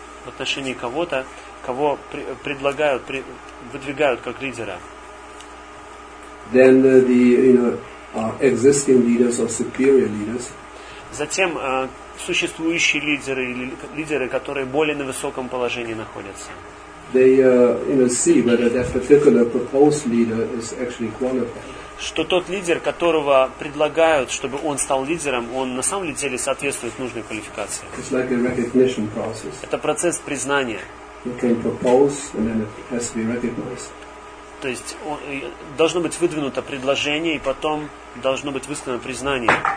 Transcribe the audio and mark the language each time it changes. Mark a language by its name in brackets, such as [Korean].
[Russian] В отношении кого-то, кого предлагают, выдвигают как лидера. [English] Then the existing leaders or superior leaders. [Russian] Затем существующие лидеры или лидеры, которые более на высоком положении находятся. [English] They see whether that particular proposed leader is actually qualified. [Russian] Что тот лидер, которого предлагают, чтобы он стал лидером, он на самом деле соответствует нужной квалификации. [English] It's like a recognition process. [Russian] Это процесс признания. [English] You can propose, and then it has to be recognized. [Russian] То есть должно быть выдвинуто предложение, и потом должно быть высказано признание.